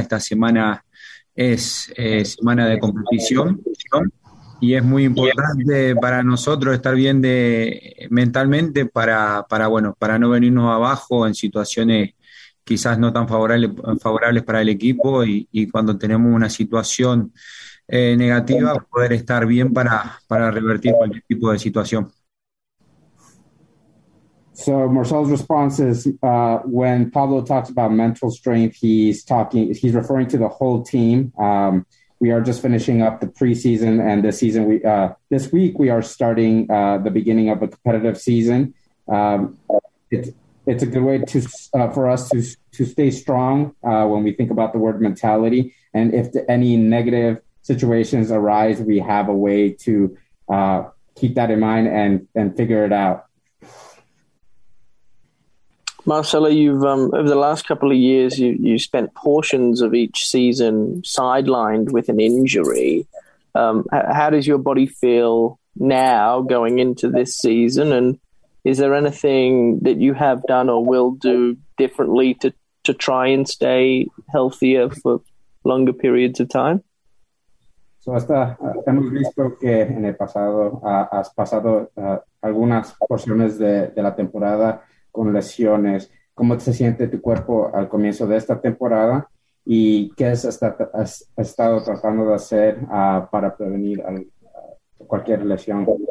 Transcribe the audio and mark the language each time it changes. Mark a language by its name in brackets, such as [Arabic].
[Spanish] Esta semana es semana de competición y es muy importante para nosotros estar bien mentalmente para no venirnos abajo en situaciones quizás no tan favorables para el equipo y cuando tenemos una situación negativa poder estar bien para revertir cualquier tipo de situación. [English] So Marcel's response is when Pablo talks about mental strength, he's referring to the whole team. We are just finishing up the preseason, and this season this week we are starting the beginning of a competitive season. It's a good way to for us to stay strong when we think about the word mentality. And if any negative situations arise, we have a way to keep that in mind and figure it out. Marcelo, you've over the last couple of years, you spent portions of each season sidelined with an injury. How does your body feel now going into this season? And is there anything that you have done or will do differently to try and stay healthier for longer periods of time? [Spanish] So hasta hemos visto que en el pasado has pasado algunas porciones de la temporada con lesiones. ¿Cómo se siente tu cuerpo al comienzo de esta temporada? ¿Y qué has estado tratando de hacer para prevenir cualquier lesión?